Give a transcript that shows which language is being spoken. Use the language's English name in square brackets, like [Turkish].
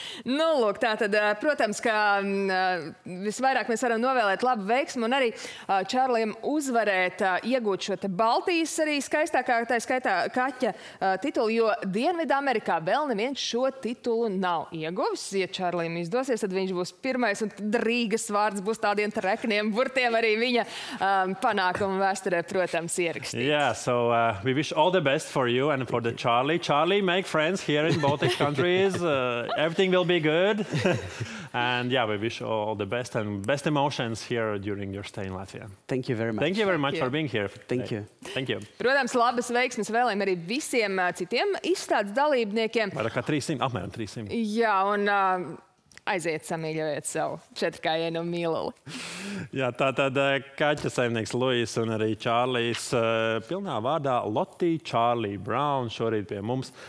[Latvian] Nu, lūk, tātad, protams, ka visvairāk mēs varam novēlēt labu veiksmu un arī Čārlijam uzvarēt, iegūt šo te Baltijas arī skaistākā, tā skaitā kaķa titulu, jo Dienvidā Amerikā vēl neviens šo titulu nav ieguvis. Ja Čārlijam izdosies, tad viņš būs pirmais un Rīgas vārds būs tādiem trekniem burtiem arī viņa panākumu vēsturē, protams, ierakstīt. [English] Yeah, so we wish all the best for you and for the Charlie. Charlie, make friends here in Baltic countries. Everything will be good. And yeah, we wish all the best and best emotions here during your stay in Latvia. Thank you very much. Thank you very much for being here. Thank you. Thank you. [Latvian] Protams, labas veiksmes vēlējam arī visiem citiem izstādes dalībniekiem. Vairāk kā 300, apmēram 300. Jā, un aiziet samīļojiet savu četrkājienu mīluli. Jā, tātad kaķa saimnieks Luis un arī Čārlijs pilnā vārdā Lottie Charlie Brown šorīt pie mums.